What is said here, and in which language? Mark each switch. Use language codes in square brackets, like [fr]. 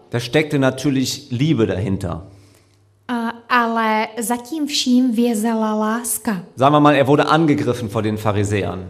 [de] Da steckte natürlich Liebe dahinter. [cs] Ale zatím vším vězela láska. [de] Sagen wir mal, er wurde angegriffen vor den Pharisäern.